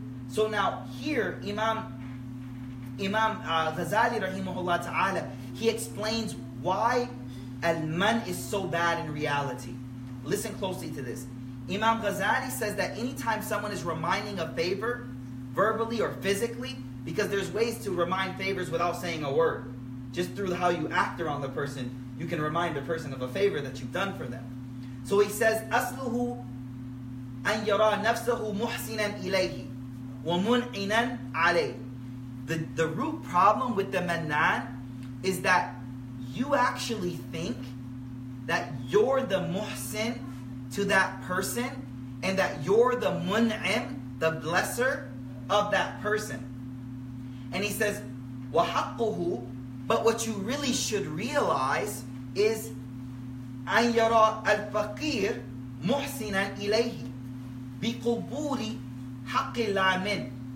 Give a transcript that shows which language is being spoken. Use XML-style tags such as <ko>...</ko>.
<en>So now here, Imam Ghazali rahimahullah ta'ala, he explains why al-man is so bad in reality. Listen closely to this. Imam Ghazali says that anytime someone is reminding a favor, verbally or physically, because there's ways to remind favors without saying a word. Just through how you act around the person, you can remind the person of a favor that you've done for them. So he says,</en> <ar>أَصْلُهُ أَنْ يَرَى نَفْسَهُ مُحْسِنًا إِلَيْهِ وَمُنْعِنًا عَلَيْهِ.</ar> <en>The root problem with the manan is that you actually think that you're the muhsin to that person and that you're the mun'im, the blesser of that person. And he says,</en> <ar>وَحَقُّهُ,</ar> <en>but what you really should realize is</en> <ar>أَنْ يَرَى الْفَقِيرُ مُحْسِنًا إِلَيْهِ بِقُبُولِ حَقِّ الْعَمِنِ.</ar>